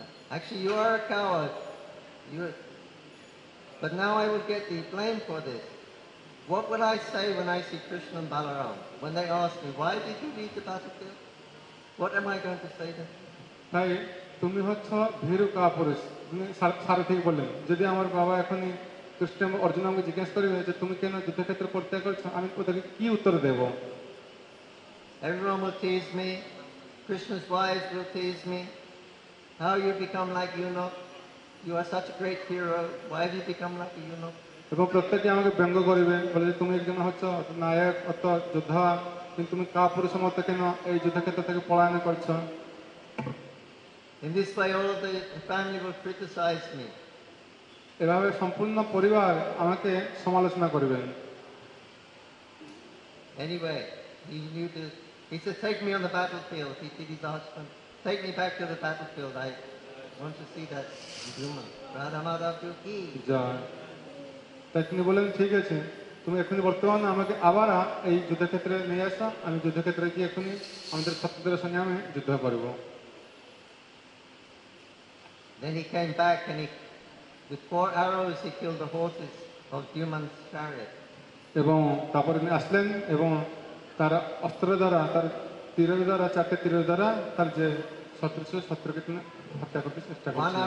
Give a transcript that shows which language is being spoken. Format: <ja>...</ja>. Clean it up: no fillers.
<en>Actually, you are a coward. But now I will get the blame for this. What would I say when I see Krishna and Balaram? When they ask me, why did you leave the battlefield? What am I going to say to them?</en> <bn>তুমি হচ্ছ ভীরুকা পুরুষ সারথী বললেন যদি আমার বাবা এখন কৃষ্ণ অর্জুন আমাকে জিজ্ঞেস করবে যে তুমি কেন যুদ্ধক্ষেত্র পরিত্যাগ করছো আমি ওদেরকে কি উত্তর দেব</bn> <en>Everyone will tease me. Krishna's wives will tease me. How you become like Eunuch? You are such a great hero. Why have you become like Eunuch?</en> <bn>এবং প্রত্যেকে আমাকে ব্যঙ্গ করিবে বলে তুমি একজন হচ্ছ নায়ক অত যোদ্ধা কিন্তু তুমি কা পুরুষ মতো কেন এই যুদ্ধক্ষেত্র থেকে পলায়ন করছো</bn> <en>In this way, all of the family will criticize me.</en> <bn>এভাবে সম্পূর্ণ পরিবার আমাকে সমালোচনা করবে.</bn> <en>Anyway, he knew this. He said, take me on the battlefield. He did his husband. Take me back to the battlefield. I want to see that Duma. Radha Madhav Juki. Jai.</en> <bn>তাই তিনি বললেন ঠিক আছে তুমি এখনই বর্তমান আমাকে আবার এই যুদ্ধক্ষেত্রে নিয়ে আসা আমি যুদ্ধক্ষেত্রে গিয়ে এখনই আমাদের ছাত্রদের সঙ্গে আমি যুদ্ধ করব</bn> <en>Then he came back and with four arrows he killed the horses of Duman's chariot.</en> <bn>এবং তারপরে তিনি আসলেন এবং তার অস্ত্র দ্বারা তার তীর দ্বারা চারটে তীর দ্বারা তার যে শত্রু ছিল শত্রুকে তিনি হত্যা করতে চেষ্টা করেছিলেন</bn>